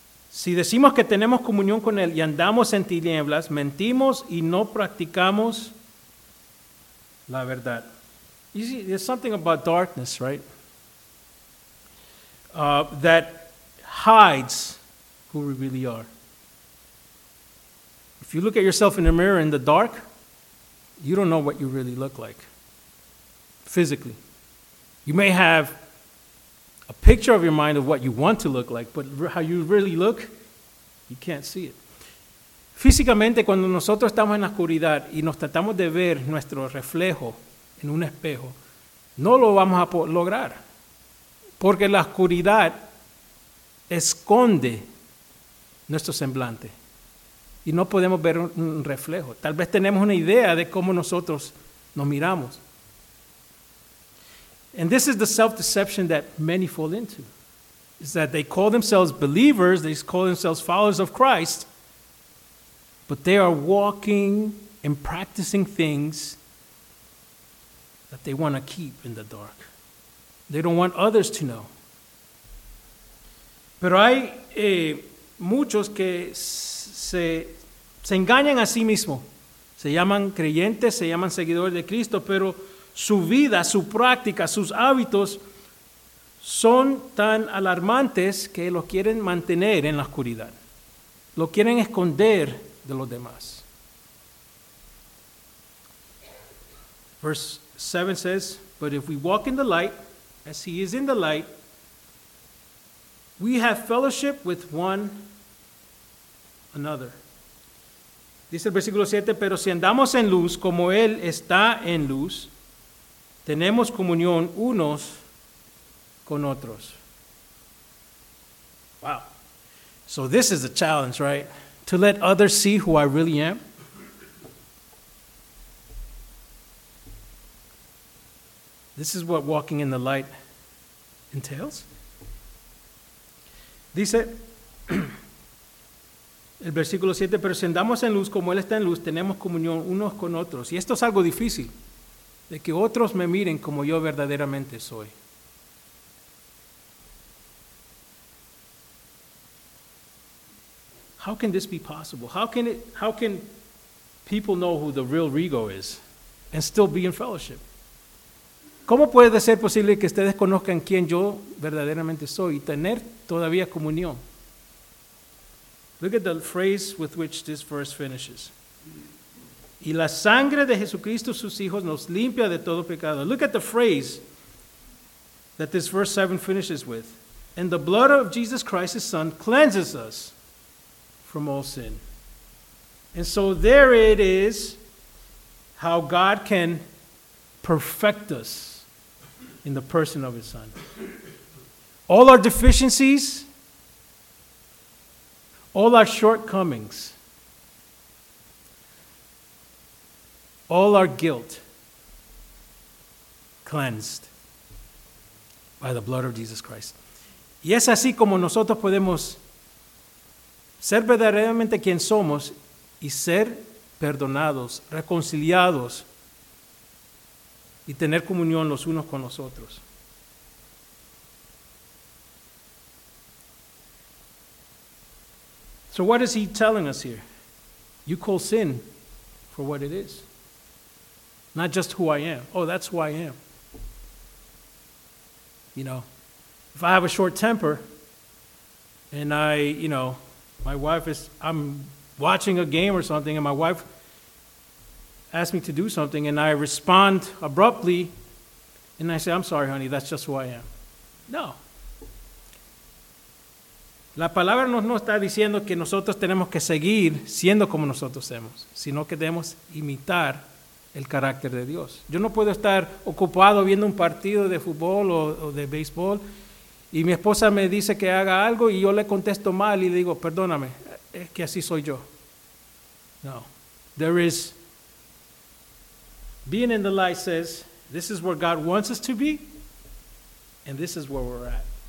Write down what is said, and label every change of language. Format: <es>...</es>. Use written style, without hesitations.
<es>Si decimos que tenemos comunión con él y andamos en tinieblas, mentimos y no practicamos la verdad.</es> <en>You see, there's something about darkness, right? That hides who we really are. If you look at yourself in the mirror in the dark, you don't know what you really look like physically. You may have a picture of your mind of what you want to look like, but how you really look, you can't see it.</en> <es>Físicamente, cuando nosotros estamos en la oscuridad y nos tratamos de ver nuestro reflejo en un espejo, no lo vamos a lograr. Porque la oscuridad esconde nuestro semblante. Y no podemos ver un reflejo. Tal vez tenemos una idea de cómo nosotros nos miramos.</es> <en>And this is the self-deception that many fall into. Is that they call themselves believers, they call themselves followers of Christ, but they are walking and practicing things that they want to keep in the dark. They don't want others to know.</en> <es>Pero hay muchos que se engañan a sí mismos. Se llaman creyentes, se llaman seguidores de Cristo, pero su vida, su práctica, sus hábitos son tan alarmantes que los quieren mantener en la oscuridad. Lo quieren esconder de los demás.</es> <en>Verse 7 says, but if we walk in the light, as he is in the light, we have fellowship with one another.</en> <es>Dice el versículo 7, pero si andamos en luz como él está en luz, tenemos comunión unos con otros.</es> <en>Wow. So this is a challenge, right? To let others see who I really am. This is what walking in the light entails.</en> <es>Dice el versículo 7, pero si andamos en luz como él está en luz, tenemos comunión unos con otros. Y esto es algo difícil. De que otros me miren como yo verdaderamente soy.</es> <en>How can this be possible? How can people know who the real Rigo is and still be in fellowship?</en> <es>¿Cómo puede ser posible que ustedes conozcan quién yo verdaderamente soy y tener todavía comunión?</es> <en>Look at the phrase with which this verse finishes.</en> <es>Y la sangre de Jesucristo, sus hijos, nos limpia de todo pecado.</es> <en>Look at the phrase that this verse 7 finishes with. And the blood of Jesus Christ, his son, cleanses us from all sin. And so there it is, how God can perfect us in the person of his son. All our deficiencies, all our shortcomings, all our guilt cleansed by the blood of Jesus Christ.</en> <es>Y es así como nosotros podemos ser verdaderamente quien somos y ser perdonados, reconciliados y tener comunión los unos con los otros.</es> <en>So what is he telling us here? You call sin for what it is. Not just who I am. Oh, that's who I am. You know, if I have a short temper and I, you know, I'm watching a game or something and my wife asks me to do something and I respond abruptly and I say, I'm sorry, honey, that's just who I am. No.</en> <es>La palabra no nos está diciendo que nosotros tenemos que seguir siendo como nosotros somos, sino que debemos imitar el carácter de Dios. Yo no puedo estar ocupado viendo un partido de fútbol o de béisbol y mi esposa me dice que haga algo y yo le contesto mal y le digo, perdóname, es que así soy yo. No.</es> <en>There is, being in the light says, this is where God wants us to be, and this is where we're at.</en>